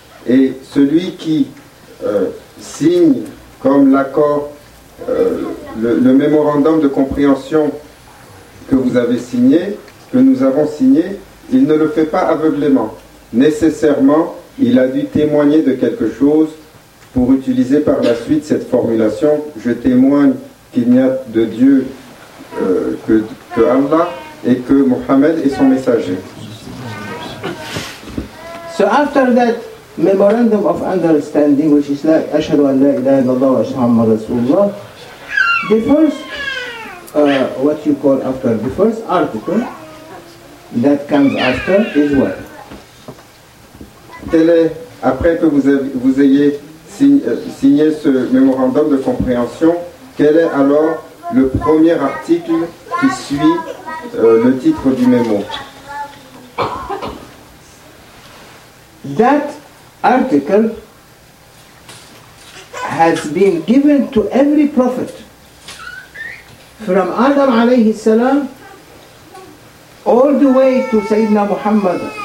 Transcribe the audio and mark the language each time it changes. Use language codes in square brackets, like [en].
[fr] Et celui qui signe comme l'accord, le mémorandum de compréhension que vous avez signé, que nous avons signé, il ne le fait pas aveuglément. Nécessairement, il a dû témoigner de quelque chose pour utiliser par la suite cette formulation « Je témoigne qu'il n'y a de Dieu que Allah et que Mohammed est son messager. » [en] So after that memorandum of understanding, which is like « [ar] Ashhadu an la ilaha illallah wa ashhadu anna Rasulullah [en] », the first, what you call after, the first article that comes after is what? [fr] Tel est, après que vous ayez signé ce mémorandum de compréhension, quel est alors le premier article qui suit le titre du mémo? [en] That article has been given to every prophet from Adam alayhi salam all the way to Sayyidina Muhammad